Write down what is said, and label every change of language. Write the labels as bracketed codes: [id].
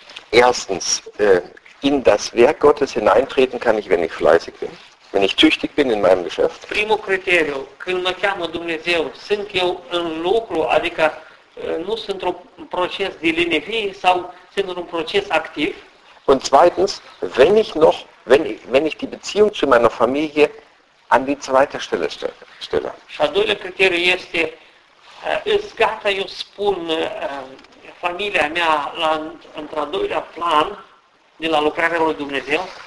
[de] Erstens, in das Werk Gottes hineintreten kann ich, wenn ich fleißig bin. Wenn ich tüchtig bin in meinem Geschäft. [ro] Primul criteriu, când mă cheamă Dumnezeu, sunt eu în lucru, adică nu sunt într-un proces de lenevie sau sunt într-un proces activ. [de] Und zweitens, wenn ich die Beziehung zu meiner Familie an die zweite Stelle stelle. [ro] Și al doilea criteriu este, ist gata eu spun familia mea la într-a doilea plan de la lucrarea lui Dumnezeu.